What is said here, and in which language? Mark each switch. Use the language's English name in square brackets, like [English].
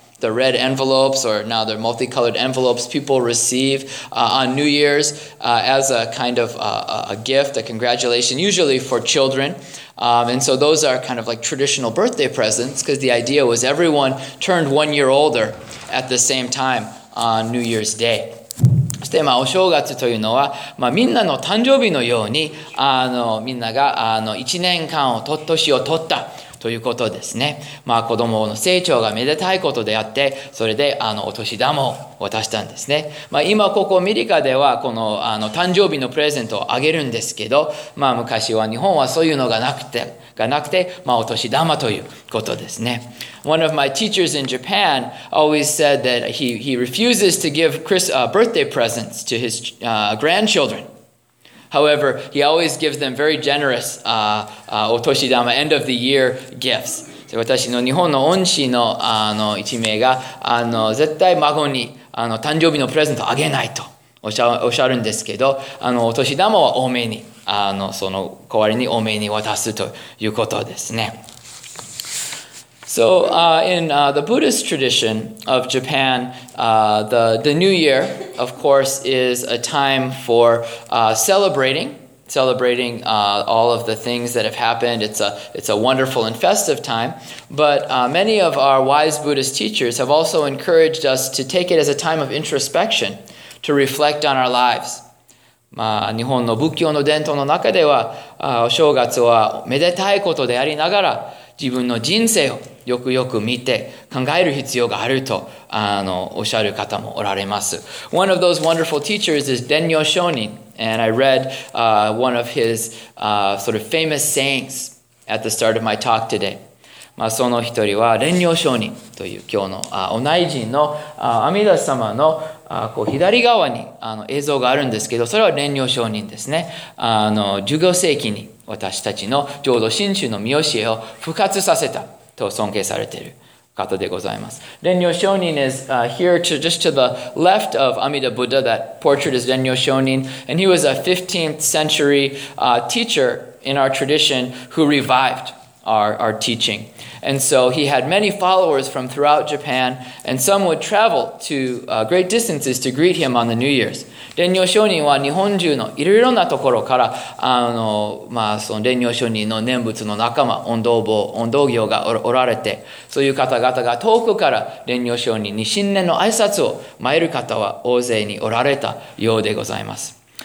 [English] The red envelopes, or now they're multicolored envelopes, people receive on New Year's as a kind of a gift, a congratulation, usually for children. And so those are kind of like traditional birthday presents, because the idea was everyone turned 1 year older at the same time on New Year's Day. [Japanese] でまあ、お正月というのは、まあ、みんなの誕生日のようにみんなが1年間を年を取ったということですね、まあ、子供の成長がめでたいことであってそれでお年玉を渡したんですね、まあ、今ここアメリカではこの誕生日のプレゼントをあげるんですけど、まあ、昔は日本はそういうのがなくて、まあ、お年玉ということですね。 [English] One of my teachers in Japan always said that he refuses to give birthday presents to his grandchildren. However, he always gives them very generous otoshidama, end of the year gifts. [Japanese] 私の日本の恩師の一名が絶対孫に誕生日のプレゼントあげないとおっしゃるんですけど、お年玉は多めに。その代わりに多めに渡すということですね。 [English] So, in the Buddhist tradition of Japan, the New Year, of course, is a time for celebrating celebrating all of the things that have happened. It's a wonderful and festive time. But many of our wise Buddhist teachers have also encouraged us to take it as a time of introspection, to reflect on our lives. [Japanese] まあ、日本の仏教の伝統の中ではお正月はめでたいことでありながら自分の人生をよくよく見て考える必要があるとおっしゃる方もおられます。 [English] One of those wonderful teachers is Denyo Shonin, and I read one of his sort of famous sayings at the start of my talk today. [Japanese] まあ、その一人は蓮如上人という今日のお内陣の阿弥陀様のこう左側に映像があるんですけど、それは蓮如上人ですね。 15世紀に私たちの浄土真宗の見教えを復活させたと尊敬されている方でございます。 [English] 蓮如上人 is here to just to the left of Amida Buddha. That portrait is 蓮如上人, and he was a 15th century teacher in our tradition who revived our teaching. And so he had many followers from throughout Japan, and some would travel to great distances to greet him on the New Year's. [Japanese] 蓮如上人は日本中のいろいろなところから、まあ、その蓮如上人の念仏の仲間、音道坊、音道行がおられて、そういう方々が遠くから蓮如上人に新年の挨拶を参る方は大勢におられたようでございます。